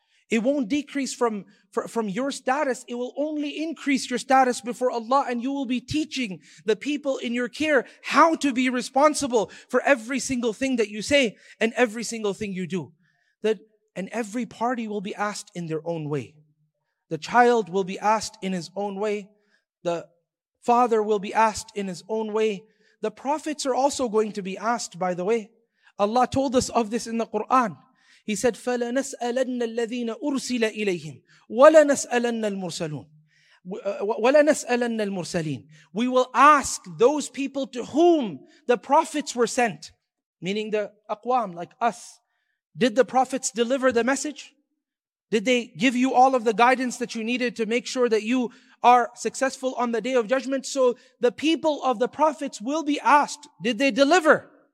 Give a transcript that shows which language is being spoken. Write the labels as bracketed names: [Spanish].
[English] It won't decrease from your status. It will only increase your status before Allah, and you will be teaching the people in your care how to be responsible for every single thing that you say and every single thing you do. That, and every party will be asked in their own way. The child will be asked in his own way. The father will be asked in his own way. The prophets are also going to be asked, by the way. Allah told us of this in the Quran. He said, [Arabic] فَلَنَسْأَلَنَّ الَّذِينَ أُرْسِلَ إِلَيْهِمْ وَلَنَسْأَلَنَّ الْمُرْسَلُونَ وَلَنَسْأَلَنَّ الْمُرْسَلِينَ. [English] We will ask those people to whom the prophets were sent, meaning the aqwam, like us. Did the prophets deliver the message? Did they give you all of the guidance that you needed to make sure that you are successful on the Day of Judgment? So the people of the prophets will be asked, did they deliver?